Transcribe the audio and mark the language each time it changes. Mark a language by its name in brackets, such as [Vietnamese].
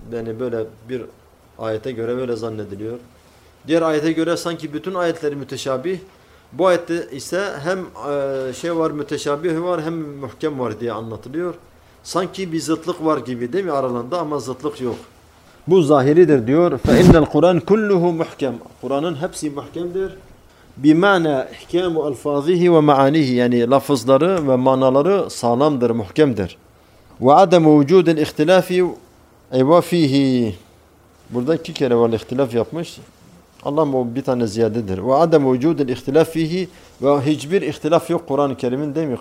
[Turkish] Yani böyle bir ayete göre böyle zannediliyor. Diğer ayete göre sanki bütün ayetleri müteşabih. Bu ayette ise hem şey var, müteşabih var, hem muhkem var diye anlatılıyor. Sanki bir zıtlık var gibi değil mi aralarında, ama zıtlık yok. Bu zahiridir diyor. [Arabic] فَاِنَّ الْقُرَانِ كُلُّهُ مُحْكَمْ [Turkish] Kur'an'ın hepsi muhkemdir. [Arabic] بِمَعْنَا اِحْكَامُ أَلْفَاظِهِ وَمَعَانِهِ [Turkish] Yani lafızları ve manaları sağlamdır, muhkemdir. [Arabic] وَعَدَمُ وُجُودِ الْاِخْتِلَافِ اَيْوَا فِيهِ [Turkish] Burada iki kere var ihtilaf yapmış. Allah bu bir tane ziyadedir. Ve adem vücudil ihtilaf fihi ve hiçbir ihtilaf yok Kur'an-ı Kerim'in değil mi?